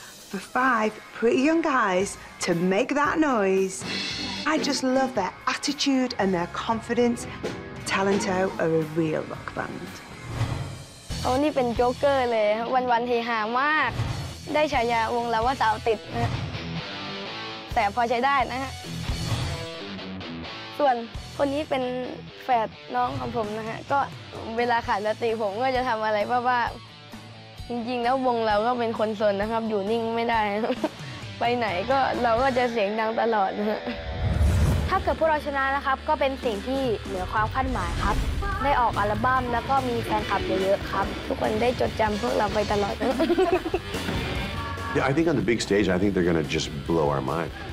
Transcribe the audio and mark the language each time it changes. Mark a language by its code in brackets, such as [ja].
[en] For five pretty young guys to make that noise, I just love their attitude and their confidence. Talento are a real rock band. [th] เขานี่เป็นโจ๊กเกอร์เลยวันเฮฮามากได้ฉายาวงแล้วว่าสาวติดนะแต่พอใช้ได้นะฮะส่วนคนนี้เป็นแฝดน้องของผมนะฮะก็เวลาขาดสติผมก็จะทำอะไรบ้าจริงๆแล้ววงเราก็เป็นคนสนนะครับอยู่นิ่งไม่ได้ไปไหนก็เราก็จะเสียงดังตลอดนะฮะ ถ้าเกิดพวกเราชนะนะครับก็เป็นสิ่งที่เหนือความคาดหมายครับได้ออกอัลบั้มแล้วก็มีแฟนคลับเยอะๆครับทุกคนได้จดจำพวกเราไปตลอด [en] Yeah, I think on the big stage, I think they're gonna just blow our mind.